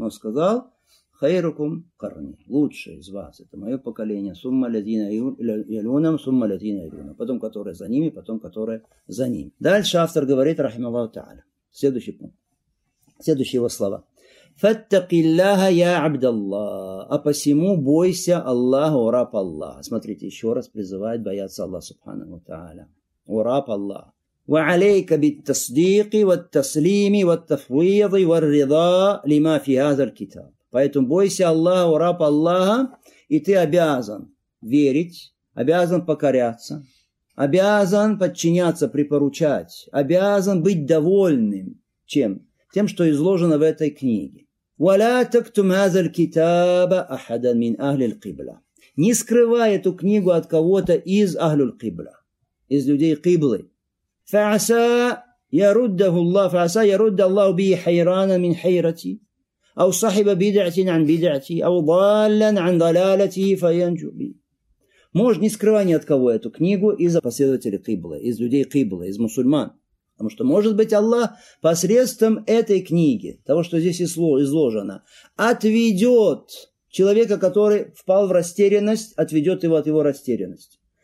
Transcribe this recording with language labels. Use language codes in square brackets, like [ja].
[ru] Он сказал, [ar] хайрукум карни, [ru] лучшие из вас, это мое поколение, [ar] сумма лядина ялюнам, сумма лядина ялюнам, [ru] потом которые за ними, потом которые за ними. Дальше автор говорит, рахималлаху та'аля, следующий пункт, следующие его слова. [ar] Фаттакиллаха я абдаллах, [ru] а посему бойся Аллаха, ураб Аллах. Смотрите, еще раз призывает бояться Аллах, субханаху та'аля, ураб Аллах. [ar] وعليك بالتصديق والتسليم والتفويض والرضا لما في هذا الكتاب. [ru] Поэтому бойся Аллаха, раб Аллаха, и ты обязан верить, обязан покоряться, обязан подчиняться, припоручать, обязан быть довольным чем? Тем, что изложено в этой книге. [ar] وَلَا تَكْتُمْ هَذَا الْكِتَابَ أَحَدًا مِنْ أَهْلِ الْقِبْلَ. [ru] Не скрывай эту книгу от кого-то из [ar] أَهْلُ الْقِبْلَ, [ru] из людей Киблы. [ar] فَعَسَى يَرُدَّهُ اللَّهُ فَعَسَى يَرُدَّ اللَّهُ بِهِ حَيْرَانًا مِنْ حَيْرَتِي أو صاحب بدعة عن بدعتي أو ضالا عن ضلالته فينجو بي. [ru] Можешь не скрывать ни от кого эту книгу из последователей Кыблы, из людей Кыблы, из мусульман. Потому что, может быть, Аллах посредством этой книги, того, что здесь изложено, отведет человека, который впал в растерянность, отведет его от его растерянности.